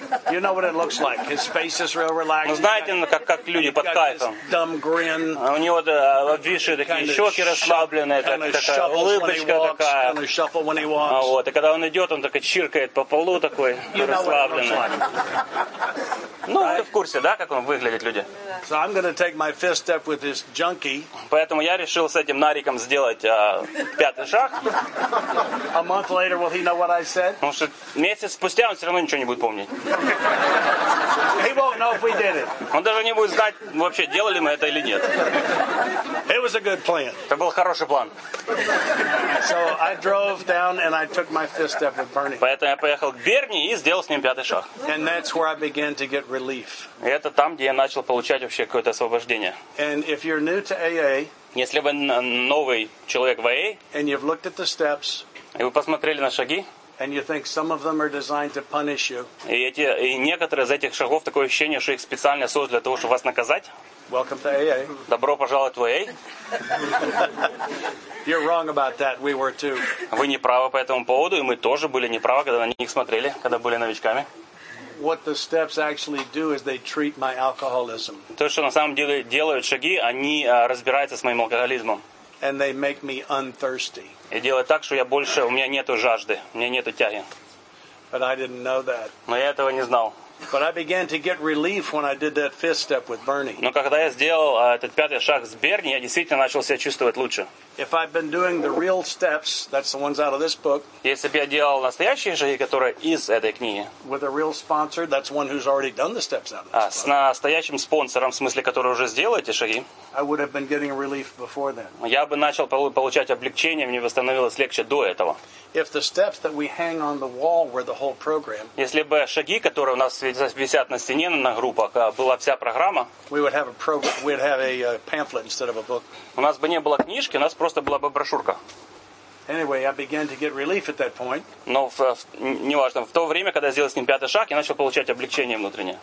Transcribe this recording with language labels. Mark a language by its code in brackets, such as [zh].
[en] You know what it looks like. His face is real relaxed. [ru] Ну, знаете, как люди под кайфом. [en] Dumb grin. [ru] А у него обвисшие такие щеки расслабленные, такая улыбочка такая. [en] Kind of shuffle when he walks. [ru] А вот, и когда он идет, он так чиркает по полу такой расслабленный. [en] You know what it looks like. [ru] Ну, [en] right? [ru] Вы в курсе, да, как он выглядит, люди? [en] So I'm going to take my fifth step with this junkie. [ru] Поэтому я решил с этим нариком сделать пятый шаг. [en] A month later, will he know what I said? [ru] Потому что месяц спустя он все равно ничего не будет помнить. [en] He won't know if we did it. [ru] Он даже не будет знать вообще, делали мы это или нет. [en] It was a good plan. [ru] Это был хороший план. [en] So I drove down and I took my fifth step with Bernie. [ru] Поэтому я поехал к Берни и сделал с ним пятый шаг. [en] And that's where I began to get relief. [ru] И это там, где я начал получать вообще какое-то освобождение. [en] And if you're new to AA, [ru] если вы новый человек в AA, [en] and you've looked at the steps, [ru] и вы посмотрели на шаги, [en] and you think some of them are designed to punish you, [ru] и некоторые из этих шагов такое ощущение, что их специально создали для того, чтобы вас наказать, [en] welcome to AA. [ru] Добро пожаловать в AA. [en] You're wrong about that. We were too. [ru] Вы не правы по этому поводу, и мы тоже были не правы, когда на них смотрели, когда были новичками. [en] What the steps actually do is they treat my alcoholism. [ru] То, что на самом деле делают шаги, они разбираются с моим алкоголизмом. [en] And they make me unthirsty. [ru] И делают так, что я больше, у меня нету жажды, у меня нету тяги. [en] But I didn't know that. [ru] Но я этого не знал. [en] But I began to get relief when I did that fifth step with Bernie. [ru] Но когда я сделал этот пятый шаг с Берни, я действительно начал себя чувствовать лучше. [en] If I've been doing the real steps, that's the ones out of this book. [ru] Если бы я делал настоящие шаги, которые из этой книги. [en] With a real sponsor, that's one who's already done the steps out of this book. [ru] С настоящим спонсором, в смысле, который уже сделал эти шаги. [en] I would have been getting relief before then. [ru] Я бы начал получать облегчение, мне бы становилось легче до этого. [en] If the steps that we hang on the wall were the whole program. [ru] Если бы шаги, которые у нас висят на стене на группах, была вся программа. [en] We would have a program. We'd have a pamphlet instead of a book. [ru] У нас бы не было книжки, у нас просто была бы брошюрка. [en] Anyway, I began to get relief at that point. [ru] Но неважно, в то время, когда я сделал с ним пятый шаг, я начал получать облегчение внутреннее.